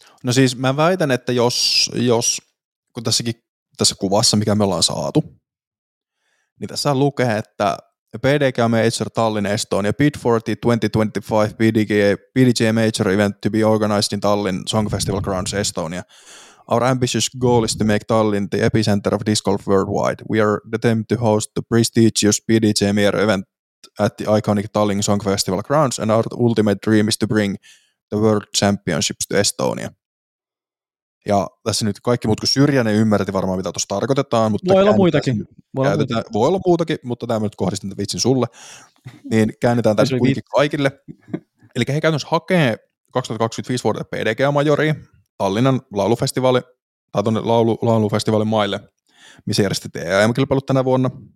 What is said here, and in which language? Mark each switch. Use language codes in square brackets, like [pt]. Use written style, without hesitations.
[fi] No siis mä väitän, että jos kun tässä kuvassa, mikä me ollaan saatu, niin tässä lukee, että PDG Major Tallinn Estonia, [en] Bid 40 2025 PDG Major event to be organized in Tallinn Song Festival Grounds Estonia. Our ambitious goal is to make Tallinn the epicenter of disc golf worldwide. We are determined to host the prestigious PDG Major event at the iconic Tallinn Song Festival Grounds, and our ultimate dream is to bring the World Championships to Estonia. [fi] Ja tässä nyt kaikki muut kuin syrjäinen ymmärretti varmaan, mitä tuossa tarkoitetaan. Mutta voi olla muitakin. Voi olla muutakin, mutta tämä nyt kohdistin tämän vitsin sulle. Niin käännetään tässä kuitenkin kaikille. Eli he käytännössä hakee 2025 vuodelle PDGA-majoria Tallinnan laulufestivaali, tai tuonne laulufestivaalin maille, missä järjestettiin EM-kilpailut tänä vuonna.